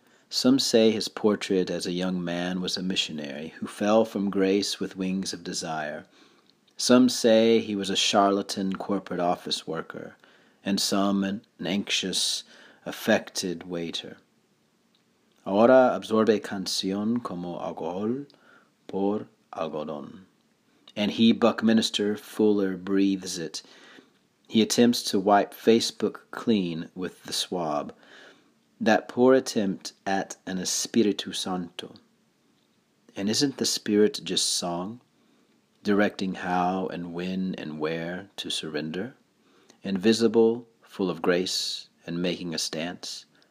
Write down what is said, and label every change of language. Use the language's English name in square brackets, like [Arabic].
[English] Some say his portrait as a young man was a missionary who fell from grace with wings of desire. Some say he was a charlatan corporate office worker, and some an anxious, affected waiter. [Spanish] Ahora absorbe canción como alcohol por algodón. [English] And he, Buckminster Fuller, breathes it. He attempts to wipe Facebook clean with the swab. That poor attempt at an Espiritu Santo. And isn't the spirit just song, directing how and when and where to surrender, invisible, full of grace, and making a stance?